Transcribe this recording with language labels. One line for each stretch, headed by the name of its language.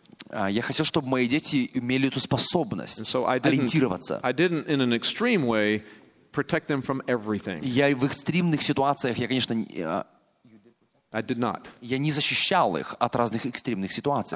Russian: Я хотел, чтобы мои дети имели эту способность ориентироваться.
English: I didn't in an extreme way protect them from everything.
Russian: Я в экстремных ситуациях, я, конечно,
English: I did not.
Russian: Я не защищал их от разных экстремных ситуаций.